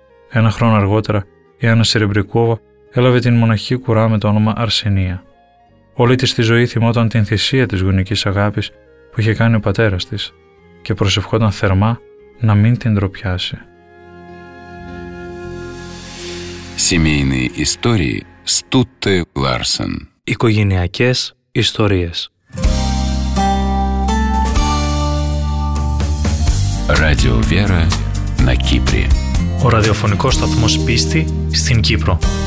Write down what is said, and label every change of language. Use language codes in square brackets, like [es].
[el] Ένα χρόνο αργότερα, η Άννα Σερεμπρικόβα έλαβε την μοναχική κουρά με το όνομα Αρσενία. Όλη της τη ζωή θυμόταν την θυσία της γονικής αγάπης που είχε κάνει ο πατέρας της και προσευχόταν θερμά να μην την ντροπιάσει. [ru] Семейные истории Стутте Ларсен. [el] Οικογενειακές ιστορίες. [ru] Radio Vera на Кипре. [el] Ο ραδιοφωνικός σταθμός πίστη στην Κύπρο.